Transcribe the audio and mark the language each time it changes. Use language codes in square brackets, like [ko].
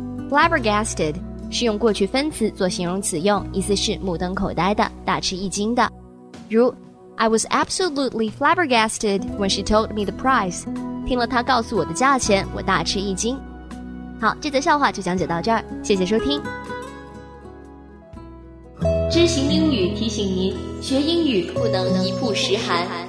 [zh] Flabbergasted 是用过去分词做形容词用，意思是目瞪口呆的、大吃一惊的。 [en] 如 I was absolutely flabbergasted when she told me the price. [zh] 听了她告诉我的价钱，我大吃一惊。好，这则笑话就讲解到这儿，谢谢收听。知行英语提醒您，学英语不能一步十寒。